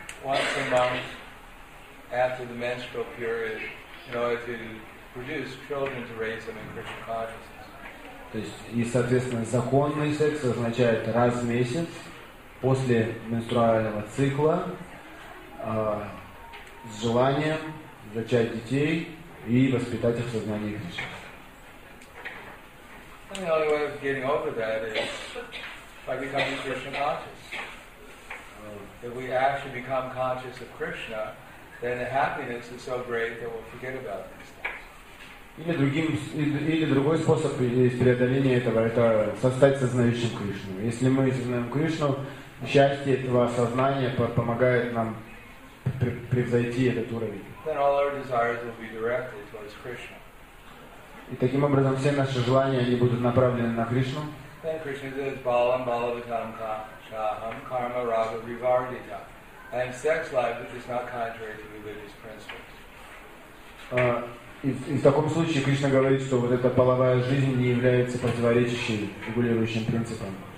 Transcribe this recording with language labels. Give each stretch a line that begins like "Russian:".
English: Once a month after the menstrual period, in order to produce children to raise them in Krishna consciousness.
Russian: То есть, и соответственно, законный секс означает раз в месяц после менструального цикла. С желанием зачать детей и воспитать их в сознании Кришны.
English: And the only way of getting over that is by becoming Krishna conscious. If we actually become conscious of Krishna, then the happiness is so great that we'll forget about these things.
Russian: Или другим, или другой способ преодоления этого – это стать сознающим Кришну. Если мы сознаем Кришну, счастье этого сознания помогает нам превзойти этот уровень.
English: Then all our desires will be directed towards Krishna.
Russian: И таким образом все наши желания они будут направлены на Кришну.
English: Then Krishna says, Balam Balavatam Kaham Karma Raga Vivardita. And sex life is not contrary to religious principles.
Russian: И в таком случае Кришна говорит, что вот эта половая жизнь не является противоречащей регулирующим принципам.